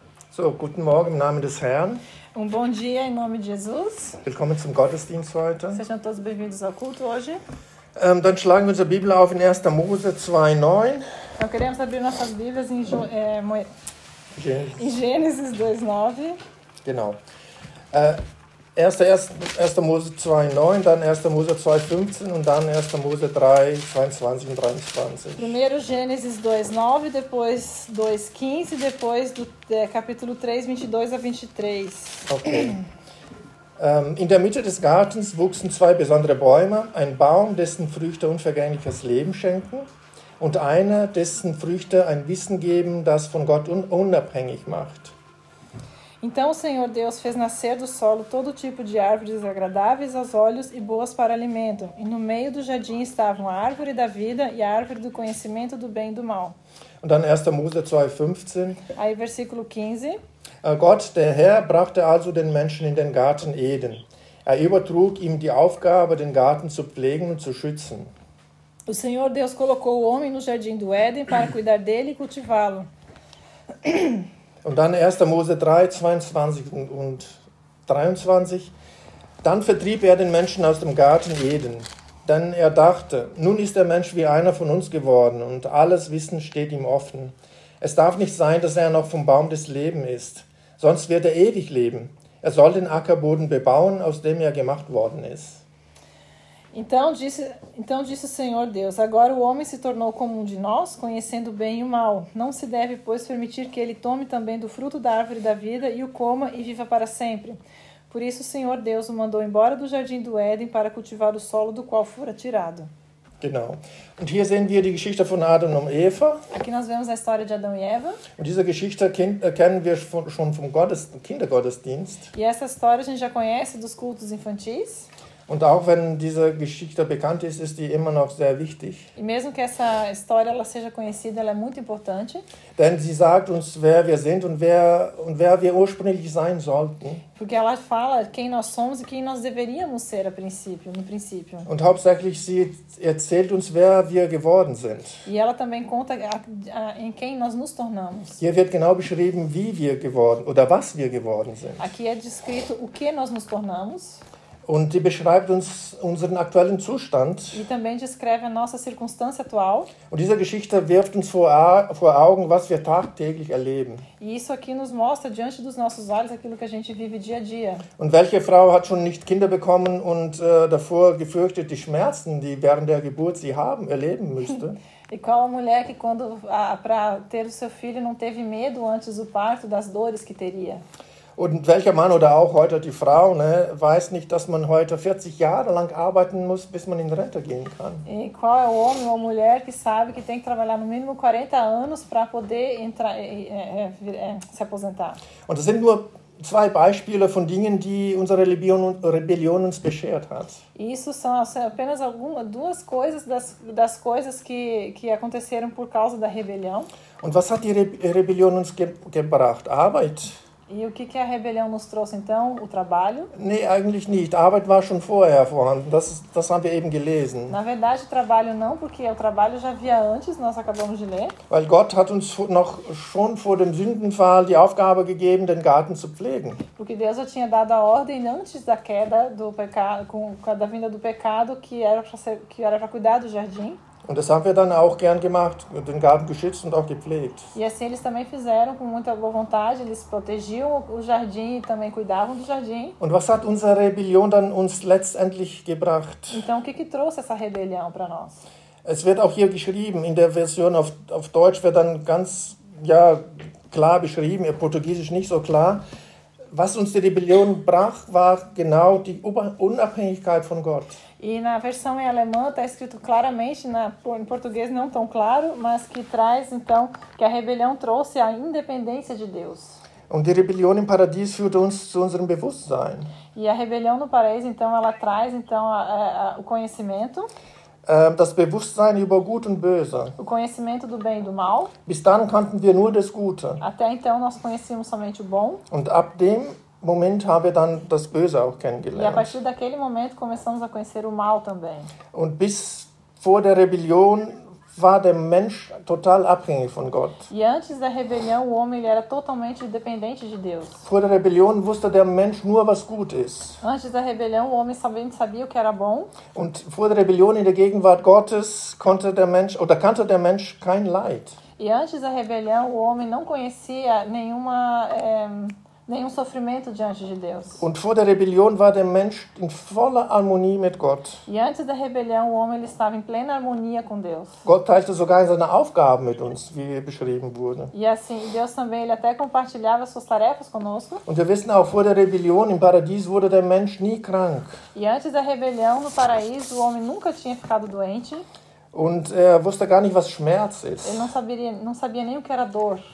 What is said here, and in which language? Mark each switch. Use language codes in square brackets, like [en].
[de] So, guten Morgen im Namen des Herrn. [pt] Um bom dia em nome de Jesus. [de] Willkommen zum Gottesdienst heute. [pt] Sejam todos bem-vindos ao culto hoje. [de] Dann schlagen wir unsere Bibel auf in 1. Mose 2:9. [pt] Então queremos abrir nossas Bíblias em Gênesis 2:9. [de] Genau. 1. Mose 2:9, dann 1. Mose 2:15 und dann 1. Mose 3:22 und 23. [pt] Primeiro Gênesis 2:9, depois 2:15, depois do capítulo 3:22-23. [de] Okay. In der Mitte des Gartens wuchsen zwei besondere Bäume, ein Baum, dessen Früchte unvergängliches Leben schenken, und einer, dessen Früchte ein Wissen geben, das von Gott unabhängig macht. [pt] Então o Senhor Deus fez nascer do solo todo tipo de árvores agradáveis aos olhos e boas para alimento. E no meio do jardim estavam a árvore da vida e a árvore do conhecimento do bem e do mal. [de] Und dann 1. Mose 2:15. [pt] Aí versículo 15. [de] Gott, der Herr, brachte also den Menschen in den Garten Eden. Übertrug ihm die Aufgabe, den Garten zu pflegen und zu schützen. [pt] O Senhor Deus colocou o homem no jardim do Éden para cuidar dele e cultivá-lo. [de] Und dann 1. Mose 3:22-23. Dann vertrieb den Menschen aus dem Garten Eden. Denn dachte, nun ist Mensch wie einer von uns geworden und alles Wissen steht ihm offen. Es darf nicht sein, dass noch vom Baum des Lebens ist. Sonst wird ewig leben. Soll den Ackerboden bebauen, aus dem gemacht worden ist. [pt] Então disse o Senhor Deus, agora o homem se tornou como um de nós, conhecendo o bem e o mal. Não se deve, pois, permitir que ele tome também do fruto da árvore da vida e o coma e viva para sempre. Por isso o Senhor Deus o mandou embora do jardim do Éden para cultivar o solo do qual fora tirado. [de] Genau. Und hier sehen wir die Geschichte von Adam und Eva. [pt] Aqui nós vemos a história de Adão e Eva. [de] Und diese Geschichte kennen wir schon vom Kindergottesdienst. [pt] E essa história a gente já conhece dos cultos infantis. [de] Und auch wenn diese Geschichte bekannt ist, ist die immer noch sehr wichtig. [pt] E mesmo que essa história ela seja conhecida, ela é muito importante. [de] Denn sie sagt uns, wer wir sind und wer wir ursprünglich sein sollten. [pt] Porque ela fala quem nós somos e quem nós deveríamos ser a princípio, no princípio. [de] Und hauptsächlich sie erzählt uns, wer wir geworden sind. [pt] E ela também conta em quem nós nos tornamos. [de] Hier wird genau beschrieben, wie wir geworden oder was wir geworden sind. [pt] Aqui é descrito o que nós nos tornamos. [de] Und die beschreibt uns unseren aktuellen Zustand. [pt] E também descreve a nossa circunstância atual. [de] Und diese Geschichte wirft uns vor Augen, was wir tagtäglich erleben. [pt] E isso aqui nos mostra diante dos nossos olhos aquilo que a gente vive dia a dia. [de] Und welche Frau hat schon nicht Kinder bekommen und davor gefürchtet die Schmerzen, die während der Geburt sie haben erleben müsste? [pt] E qual a mulher que quando para ter o seu filho não teve medo antes do parto das dores que teria? [de] Und welcher Mann oder auch heute die Frau, ne, weiß nicht, dass man heute 40 Jahre lang arbeiten muss, bis man in Rente gehen kann. [pt] E qual é o homem ou a mulher que sabe que tem que trabalhar no mínimo 40 anos para poder entrar se aposentar? [de] Und das sind nur zwei Beispiele von Dingen, die unsere Rebellion uns beschert hat. [pt] Isso são apenas algumas duas coisas das coisas que aconteceram por causa da rebelião. [de] Und was hat die Rebellion uns gebracht? Arbeit. [pt] E o que a rebelião nos trouxe então? O trabalho? [de] Nee, eigentlich nicht. Arbeit war schon vorher vorhanden. Das haben wir eben gelesen. [pt] Na verdade, trabalho não, porque o trabalho já havia antes, nós acabamos de ler. [de] Weil Gott hat uns noch schon vor dem Sündenfall die Aufgabe gegeben, den Garten zu pflegen. [pt] Porque Deus já tinha dado a ordem antes da queda do pecado, com da vinda do pecado, que era para cuidar do jardim. [de] Und das haben wir dann auch gern gemacht, den Garten geschützt und auch gepflegt. [pt] E assim eles também fizeram com muita boa vontade, eles protegiam o jardim e também cuidavam do jardim. [de] Und was hat unsere Rebellion dann uns letztendlich gebracht? [pt] Então o que trouxe essa rebelião para nós? [de] Es wird auch hier geschrieben, in der Version auf Deutsch wird dann ganz klar beschrieben, in Portugiesisch nicht so klar. Was uns die Rebellion brach, war genau die Unabhängigkeit von Gott. [pt] E na versão em alemã está escrito claramente, em português não tão claro, mas que traz então que a rebelião trouxe a independência de Deus. [de] Und die Rebellion im Paradies führt uns zu unserem Bewusstsein. [pt] E a rebelião no paraíso então ela traz então o conhecimento. [de] Das Bewusstsein über Gut und Böse. [pt] O conhecimento do bem e do mal. [de] Bis dann kannten wir nur das Gute. [pt] Até então nós conhecíamos somente o bom. [de] Und ab dem Moment haben wir dann das Böse auch kennengelernt. [pt] E a partir daquele momento começamos a conhecer o mal também. [de] Und bis vor der Rebellion war der Mensch total abhängig von Gott. [pt] E antes da rebelião, o homem ele era totalmente dependente de Deus. [de] Vor der Rebellion wusste der Mensch nur, was gut ist. [pt] Antes da rebelião, o homem somente sabia o que era bom. [de] Und vor der Rebellion in der Gegenwart Gottes konnte der Mensch oder kannte der Mensch kein Leid. [pt] E antes da rebelião, o homem não conhecia nenhuma nenhum sofrimento diante de Deus. [de] Und vor der Rebellion war der Mensch in voller Harmonie mit Gott. [pt] E antes da rebelião, o homem ele estava em plena harmonia com Deus. [de] Gott teilte sogar seine Aufgaben mit uns, wie beschrieben wurde. [pt] E assim, Deus também ele até compartilhava suas tarefas conosco. [de] Und wir wissen auch, vor der Rebellion im Paradies wurde der Mensch nie krank. [pt] E antes da rebelião no paraíso, o homem nunca tinha ficado doente. [de] Und er wusste gar nicht, was Schmerz ist. [pt] Ele não sabia nem o que era dor.